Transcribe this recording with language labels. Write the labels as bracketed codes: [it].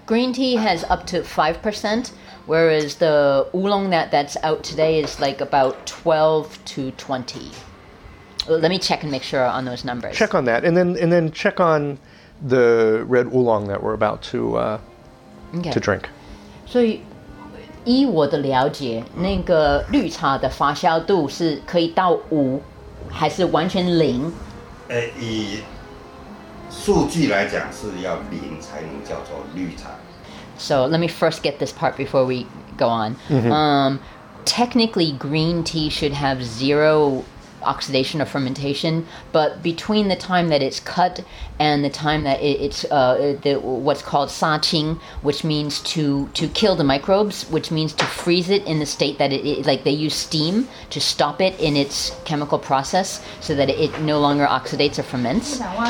[en] Green tea has up to 5%, whereas the oolong that's out today is like about 12 to 20. Let me check and make sure on those numbers. Check on that. And then check on the red oolong that we're about to drink. [zh] So, 依我的了解，那个绿茶的发酵度是可以到五，还是完全零？以数据来讲是要零才能叫做绿茶。 [en] So let me first get this part before we go on. Technically, green tea should have zero oxidation or fermentation, but between the time that it's cut and the time that what's called sa qing, which means to kill the microbes, which means to freeze it in the state that it, like they use steam to stop it in its chemical process so that it no longer oxidates or ferments.